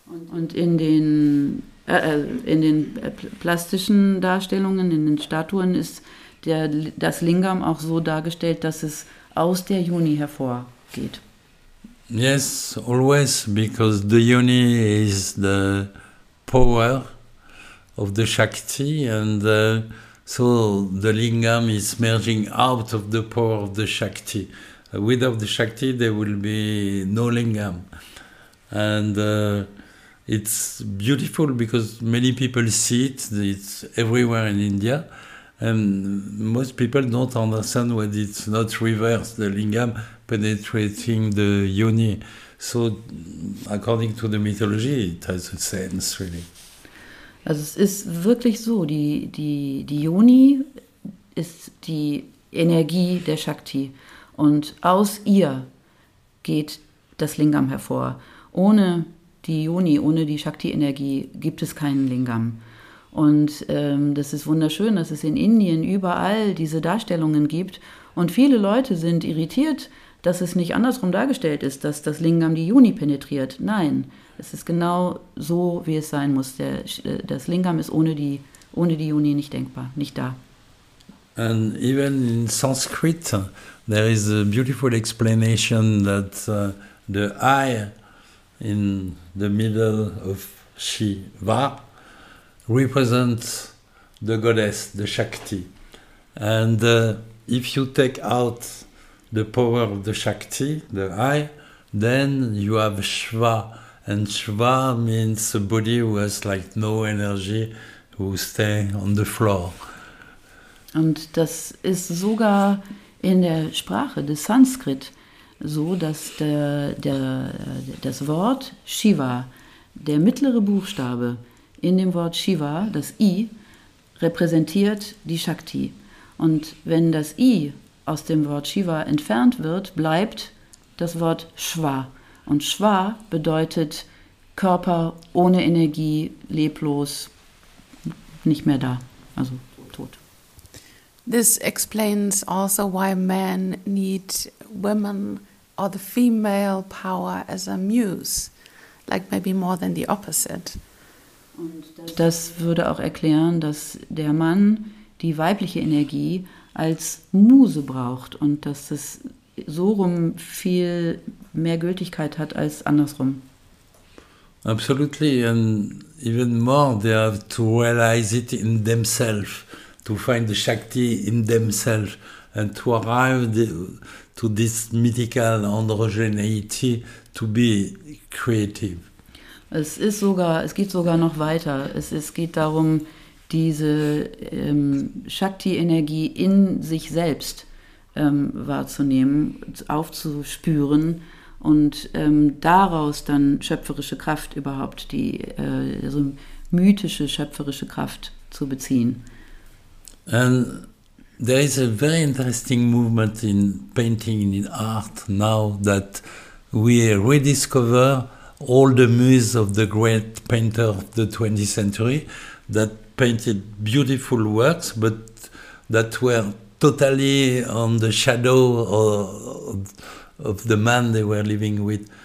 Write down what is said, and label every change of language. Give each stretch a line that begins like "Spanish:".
German: Und in den plastischen Darstellungen, in den Statuen ist das Lingam auch so dargestellt, dass es aus der Yoni hervorgeht.
English: Yes, always, because the Yoni is the power of the Shakti, and so the Lingam is merging out of the power of the Shakti. Without the Shakti, there will be no Lingam. And it's beautiful because many people see it, it's everywhere in India. And most people don't understand when it's not reversed, the lingam penetrating the yoni. So, according to the mythology, it has a sense, really.
German: Also es ist wirklich so, die Yoni ist die Energie der Shakti. Und aus ihr geht das Lingam hervor. Ohne die Yoni, ohne die Shakti-Energie gibt es keinen Lingam. Und das ist wunderschön, dass es in Indien überall diese Darstellungen gibt. Und viele Leute sind irritiert, dass es nicht andersrum dargestellt ist, dass das Lingam die Yoni penetriert. Nein, es ist genau so, wie es sein muss. Das Lingam ist ohne die Yoni nicht denkbar, nicht da.
English: And even in Sanskrit, there is a beautiful explanation that the eye in the middle of Shiva represents the goddess, the Shakti. And if you take out the power of the Shakti, the eye, then you have Shiva. And Shiva means a body who has like no energy, who stays on the floor.
German: Und das ist sogar in der Sprache des Sanskrit so, dass das Wort Shiva, der mittlere Buchstabe, in dem Wort Shiva, das I, repräsentiert die Shakti. Und wenn das I aus dem Wort Shiva entfernt wird, bleibt das Wort Shva. Und Shva bedeutet Körper ohne Energie, leblos, nicht mehr da, also tot.
English: This explains also why men need women or the female power as a muse, like maybe more than the opposite.
German: Und das würde auch erklären, dass der Mann die weibliche Energie als Muse braucht und dass es so rum viel mehr Gültigkeit hat als andersrum.
English: Absolutely, and even more, they have to realize it in themselves, to find the Shakti in themselves and to arrive to this mythical androgeneity to be creative.
German: Es geht sogar noch weiter. Es geht darum, diese Shakti-Energie in sich selbst wahrzunehmen, aufzuspüren und daraus dann schöpferische Kraft überhaupt, die mythische schöpferische Kraft zu beziehen.
English: And there is a very interesting movement in painting and in art now that we rediscover all the muses of the great painter of the 20th century that painted beautiful works, but that were totally on the shadow of the man they were living with.